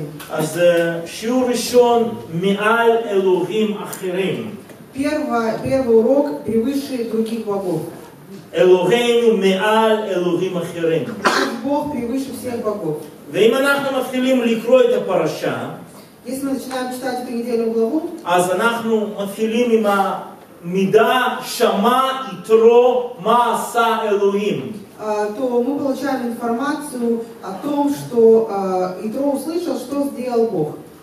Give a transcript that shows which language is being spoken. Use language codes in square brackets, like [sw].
[he] אז שיעור ראשון מעל אלוהים אחרים. [ru] Первый урок превыше других богов. [he] אלוהינו מעל אלוהים אחרים. [ru] Бог превыше всех богов. [he] ואם אנחנו מתחילים לקרוא את הפרשה, [ru] если мы начинаем читать эту недельную главу, [he] אז אנחנו מתחילים עם המידה שמע יתרו מה עשה אלוהים. [ru] То мы получаем информацию о том, что Итро услышал, что сделал Бог.